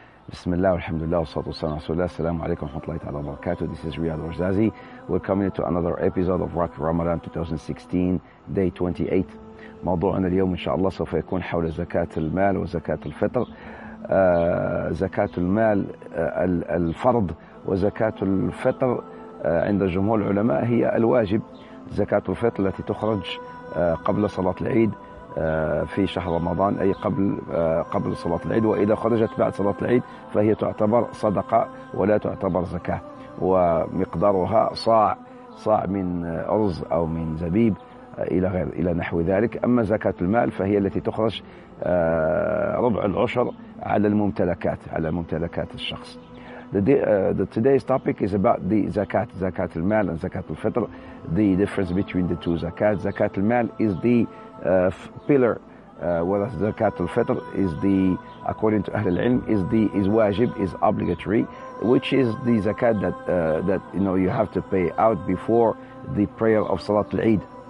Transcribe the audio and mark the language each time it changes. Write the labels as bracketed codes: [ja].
[en] Bismillah, alhamdulillah, salatu wassalam, rasulullah, assalamu alaikum wa rahmatullahi wa barakatuh. This is Riyad Orzazi. We're coming to another episode of Rock Ramadan 2016, day 28. [ar] موضوعنا اليوم إن شاء الله سوف يكون حول زكاة المال وزكاة الفطر. زكاة المال الفرض وزكاة الفطر عند جمهور العلماء هي الواجب. زكاة الفطر التي تخرج قبل صلاة العيد في شهر رمضان أي قبل صلاة العيد، وإذا خرجت بعد صلاة العيد فهي تعتبر صدقة ولا تعتبر زكاة، ومقدارها صاع من أرز أو من زبيب إلى نحو ذلك. أما زكاة المال فهي التي تخرج ربع العشر على الممتلكات الشخص. [en] Today's topic is about the zakat, zakat al-mal and zakat al-fitr, the difference between the two zakat. Zakat al-mal is the pillar, whereas zakat al-fitr is the, according to Ahl al-Ilm, is wajib, is obligatory, which is the zakat that you know you have to pay out before the prayer of Salat al-Eid.